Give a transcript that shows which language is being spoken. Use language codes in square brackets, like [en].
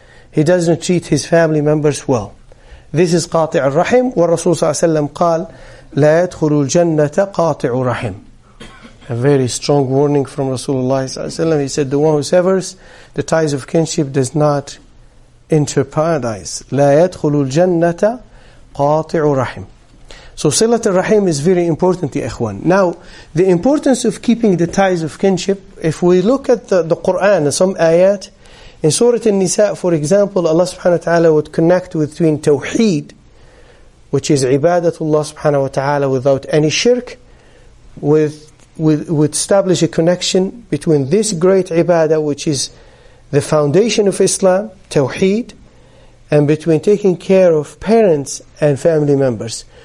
[en] He doesn't treat his family members well. This is قاطع الرحم. [ar] ورسول صلى الله عليه وسلم قال لا يدخل الجنة قاطع رحم. [en] A very strong warning from Rasulullah [ar] صلى الله عليه وسلم. [en] He said, the one who severs the ties of kinship does not enter paradise. [ar] لا يدخل الجنة قاطع رحم. [en] So صلة الرحم is very important, [ar] يا إخوان. [en] Now, the importance of keeping the ties of kinship, if we look at the Quran, some ayat, in Surah An-Nisa, for example, Allah subhanahu wa ta'ala would connect between Tawheed, which is Ibadatullah subhanahu wa ta'ala without any shirk, would establish a connection between this great Ibadah, which is the foundation of Islam, Tawheed, and between taking care of parents and family members.